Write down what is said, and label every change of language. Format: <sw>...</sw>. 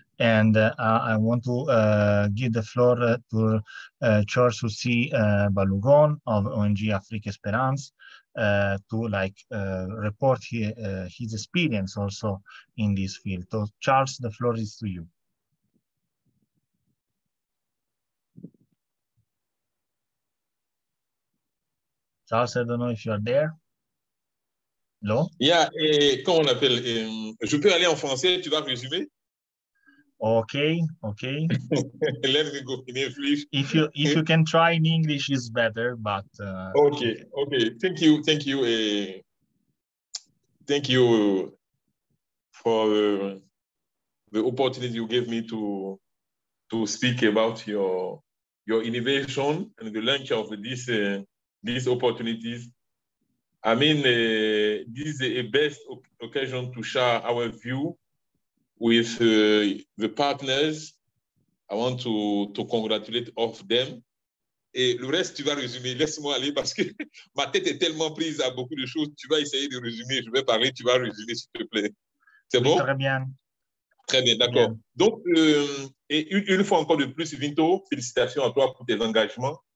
<en>And I want to give the floor to Charles Soucy Balogoun of ONG Afrique Esperance to report his experience also in this field. So Charles, the floor is to you. Charles, I don't know if you are there. Hello? Yeah,</en> <fr>et comment on appelle? Je peux aller en français, tu vas résumer?</fr> <en>Okay. Let me go in English. If you can try in English, is better. But okay. Thank you. Thank you for the opportunity you gave me to speak about your innovation and the launch of these opportunities. I mean, this is the best occasion to share our view with the partners. I want to congratulate all of them.</en> <fr>Et le reste, tu vas résumer. Laisse-moi aller parce que ma tête est tellement prise à beaucoup de choses. Tu vas essayer de résumer. Je vais parler. Tu vas résumer, s'il te plaît. C'est oui, bon? Très bien. Très bien, d'accord. Bien. Donc, et une fois encore de plus, Vinto, félicitations à toi pour tes engagements.</fr>